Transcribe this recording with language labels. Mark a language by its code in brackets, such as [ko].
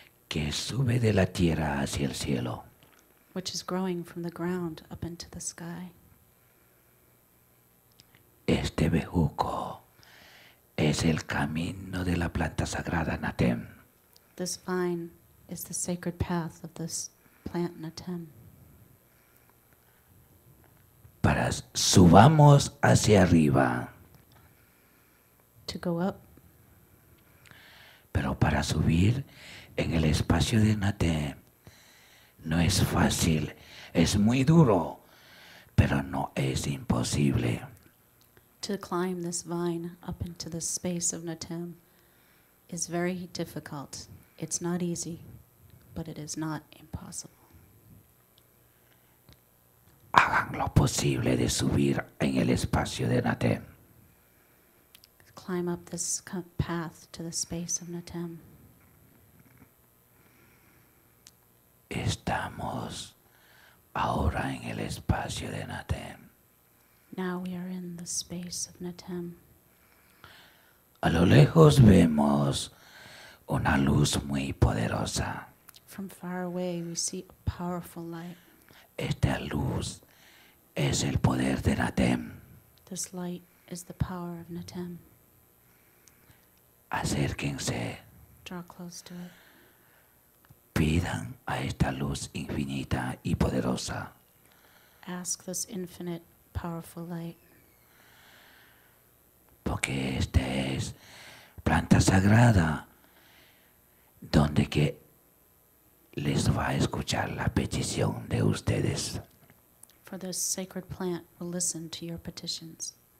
[es] Que sube de la tierra hacia el cielo. [en] Which is growing from the ground up into the sky. [es] Este bejuco es es el camino de la planta sagrada Natem. [en] This vine is the sacred path of this plant Natem. [es] Para subamos hacia arriba. [en] To go up. [es] Pero para subir en el espacio de Natem no es fácil, es muy duro, pero no es imposible. [en] To climb this vine up into the space of Natem is very difficult. It's not easy, but it is not impossible. [es] Hagan lo posible de subir en el espacio de Natem. [en] Climb up this path to the space of Natem. [es] Estamos ahora en el espacio de Natem. [en] Now we are in the space of Natem. [es] A lo lejos vemos una luz muy poderosa. [en] From far away we see a powerful light. [es] Esta luz es el poder de Natem. [en] This light is the power of Natem. [es] Acérquense. [en] Draw close to it. [es] Pidan a esta luz infinita y poderosa. [en] Ask this infinite powerful light. [es] Porque esta es planta sagrada, donde que les va a escuchar la petición de ustedes. [en] For this sacred plant will listen to your petitions.